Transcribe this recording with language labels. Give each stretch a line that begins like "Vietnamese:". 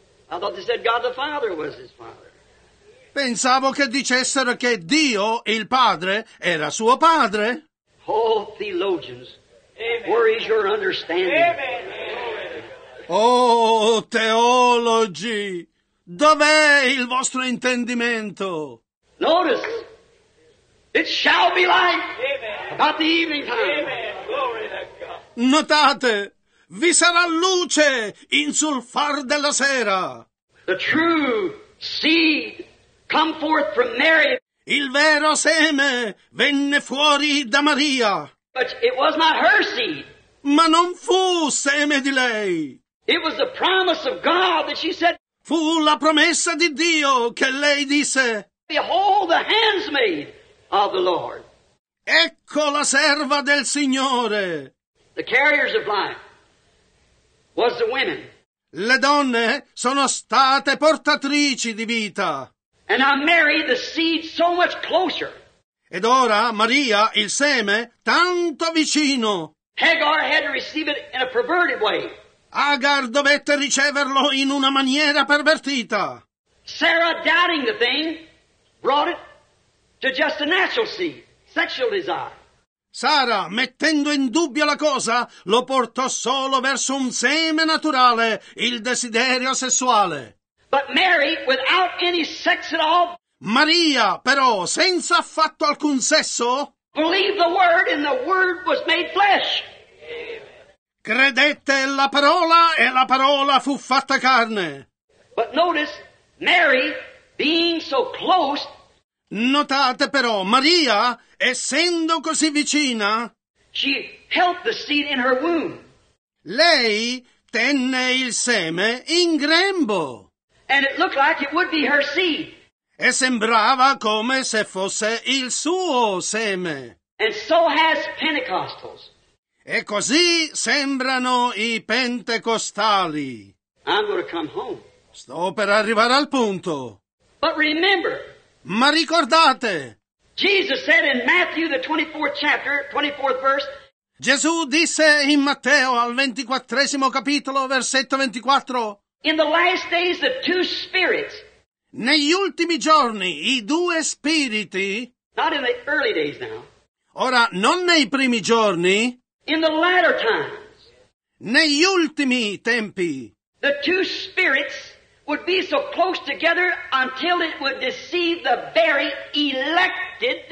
English: I thought they said God the Father was his father.
Italian: Pensavo che dicessero che Dio, il Padre, era suo padre.
English: Oh, theologians, where is your understanding? Amen.
Italian: Oh, teologi, dov'è il vostro intendimento?
English: Notice, it shall be like about the evening time. Amen. Glory to God.
Italian: Notate, vi sarà luce in sul far della sera.
English: The true seed. Come forth from Mary.
Italian: Il vero seme venne fuori da Maria.
English: But it was not her seed.
Italian: Ma non fu seme di lei.
English: It was the promise of God that she said.
Italian: Fu la promessa di Dio che lei disse.
English: Behold the handmaid of the Lord.
Italian: Ecco la serva del Signore.
English: The carriers of life was the women.
Italian: Le donne sono state portatrici di vita.
English: And I marry the seed so much closer.
Italian: Ed ora Maria, il seme, tanto vicino.
English: Hagar had to receive it in a perverted way.
Italian: Hagar dovette riceverlo in una maniera pervertita.
English: Sarah, doubting the thing, brought it to just a natural seed, sexual desire.
Italian: Sara, mettendo in dubbio la cosa, lo portò solo verso un seme naturale, il desiderio sessuale.
English: But Mary, without any sex at all,
Italian: Maria, però, senza affatto alcun sesso,
English: believed the word and the word was made flesh.
Italian: Credette la parola e la parola fu fatta carne.
English: But notice, Mary, being so close,
Italian: notate però, Maria, essendo così vicina,
English: she held the seed in her womb.
Italian: Lei tenne il seme in grembo.
English: And it looked like it would be her seed.
Italian: E sembrava come se fosse il suo seme.
English: And so has Pentecostals.
Italian: E così sembrano i pentecostali.
English: I'm going to come home.
Italian: Sto per arrivare al punto.
English: But remember.
Italian: Ma ricordate.
English: Jesus said in Matthew, the 24th chapter, 24th verse.
Italian: Gesù disse in Matteo, al 24 capitolo, versetto 24.
English: In the last days, the two spirits.
Italian: Negli ultimi giorni, i due spiriti.
English: Not in the early days now.
Italian: Ora, non nei primi giorni.
English: In the latter times.
Italian: Negli ultimi tempi.
English: The two spirits would be so close together until it would deceive the very elected.